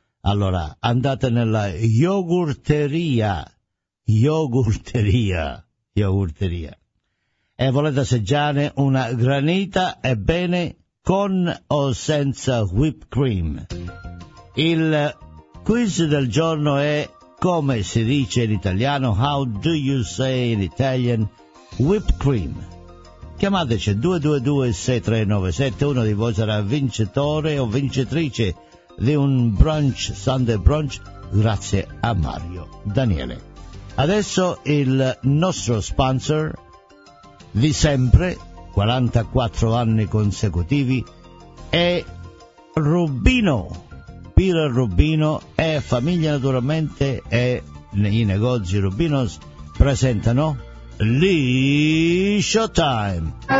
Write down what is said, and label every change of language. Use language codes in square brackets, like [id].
[it] Allora, andate nella yogurteria, yogurteria, yogurteria. E volete assaggiare una granita? Ebbene, con o senza whipped cream. Il quiz del giorno è: come si dice in italiano? [en] How do you say in Italian whipped cream? [it] Chiamateci 222-6397, uno di voi sarà vincitore o vincitrice di un brunch, Sunday brunch, grazie a Mario Daniele. Adesso il nostro sponsor di sempre, 44 anni consecutivi, è Rubino, Pira Rubino e famiglia naturalmente, e i negozi Rubinos presentano Liscio Time.